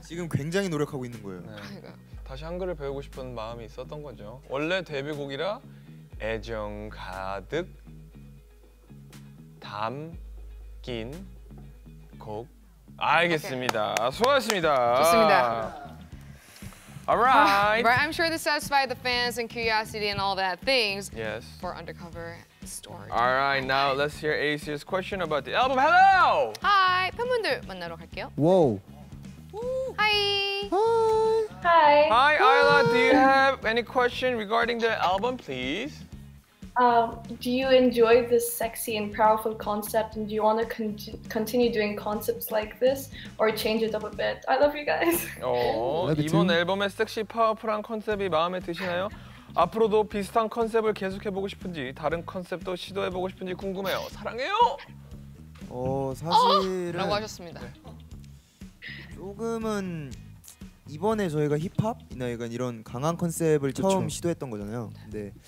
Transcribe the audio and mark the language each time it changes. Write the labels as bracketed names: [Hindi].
[Korean] 지금 굉장히 노력하고 있는 거예요 네. 그러니까. 다시 한글을 배우고 싶은 마음이 있었던 거죠 원래 데뷔곡이라 애정 가득 담긴 곡 알겠습니다 오케이. 수고하셨습니다 좋습니다 [English] Alright. Right, I'm sure this satisfied the fans and curiosity and all that things. Yes. For undercover story. Alright, now let's hear Ace's question about the album. Hello. Hi, [Korean] 팬분들 만나러 갈게요. [English] Whoa. Hi. Hi. Hi. Hi, Isla. Do you have any question regarding the album, please? Do you enjoy this sexy and powerful concept, and do you want to continue doing concepts like this, or change it up a bit? I love you guys. [Korean] 이번 앨범의 섹시 파워풀한 컨셉이 마음에 드시나요? 앞으로도 비슷한 컨셉을 계속해 보고 싶은지, 다른 컨셉도 시도해 보고 싶은지 궁금해요. 사랑해요. 사실은 라고 하셨습니다. 조금은 이번에 저희가 힙합이나 약간 이런 강한 컨셉을 그쵸. 처음 시도했던 거잖아요. 근데